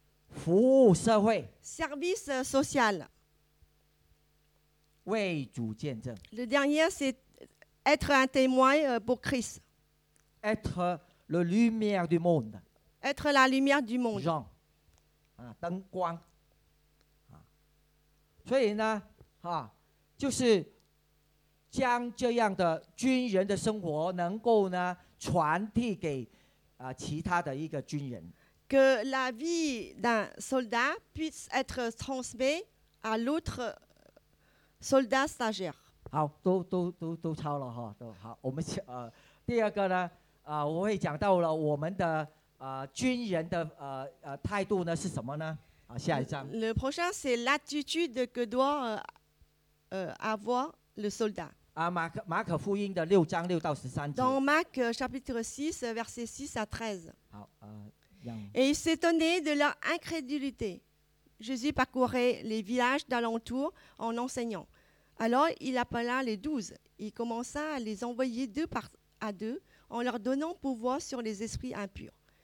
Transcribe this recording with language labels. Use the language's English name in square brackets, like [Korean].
[Chinese] 服务社会。 [French] Service social. [Chinese] 为主见证。 [French] Le dernier, c'est être un témoin pour Christ. Être la lumière du monde. Être la lumière du monde. [Chinese] Jean. 灯光。所以呢就是将这样的军人的生活能够呢传递给其他的一个军人。 [French] Que la vie d'un soldat puisse être transmise à l'autre soldat stagiaire. [Chinese] 好，都抄了哈，都好。我们第二个呢我会讲到了我们的军人的态度呢是什么呢？下一章。 [French] Le prochain c'est l'attitude que doit avoir le soldat. [Chinese] 马可福音的六章六到十三节。 [French] Dans Marc chapitre 6, verset 6 à 13. Et il s'étonnait de leur incrédulité. Jésus parcourait les villages d'alentour en enseignant. Alors il appela les douze. Il commença à les envoyer deux par à deux en leur donnant pouvoir sur les esprits impurs.